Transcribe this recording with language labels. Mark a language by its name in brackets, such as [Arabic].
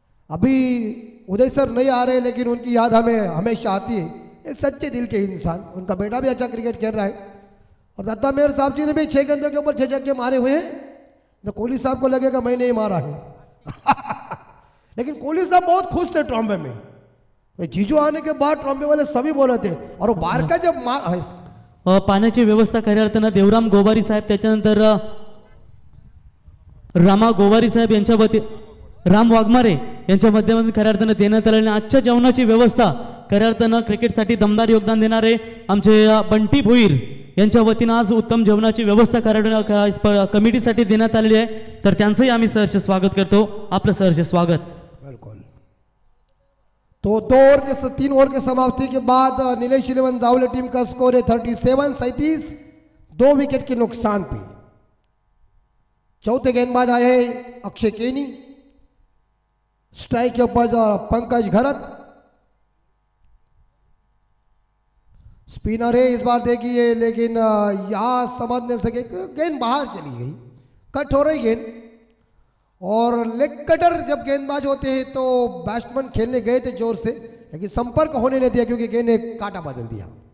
[Hindi] अभी उदय सर नहीं आ रहे लेकिन उनकी याद हमें हमेशा आती है, एक सच्चे दिल के इंसान, उनका बेटा भी अच्छा क्रिकेट खेल रहा है। और दत्ता मेहर साहब जी ने भी 6 गेंदों के ऊपर 6 छक्के मारे हुए हैं, तो कोहली साहब को लगेगा मैंने ही मारा है लेकिन कोहली साहब बहुत खुश थे ट्रॉम्बे में, जीजू आने के बाद ट्रॉम्बे वाले सभी बोल रहे थे, और वो बार का जब मार [Marathi] पाण्याची व्यवस्था करी अर्थाने देवराम गोवारी साहब, त्याच्यानंतर रामा गोवारी साहेब यांच्या वती राम वाघमारे यांच्या मध्यमधून खऱ्या अर्थानं देण्यात आलं, आणि आजच्या जेवणाची व्यवस्था खऱ्या अर्थानं क्रिकेटसाठी दमदार योगदान देणारे आमचे बंटी भुईर यांच्या वतीनं आज उत्तम जेवणाची व्यवस्था खऱ्या कमिटीसाठी देण्यात आलेली आहे, तर त्यांचंही आम्ही सहर्ष स्वागत करतो। आपलं सहर्ष स्वागत। [Hindi] बिलकुल, तो 2 ओव्हर के समाप्ती के बाद निलेश इलेवन जावले टीम का स्कोर है 37-37, 2 विकेट के नुकसान पे। चौथे गेंदबाज आए अक्षय केनी, स्ट्राइक के ऊपर पंकज घरत, स्पिनर है इस बार देखिए, लेकिन यहां समझ नहीं सके, गेंद बाहर चली गई, कट हो रही गेंद, और लेग कटर जब गेंदबाज होते हैं तो बैट्समैन खेलने गए थे जोर से, लेकिन संपर्क होने नहीं दिया क्योंकि गेंद ने काटा बदल दिया।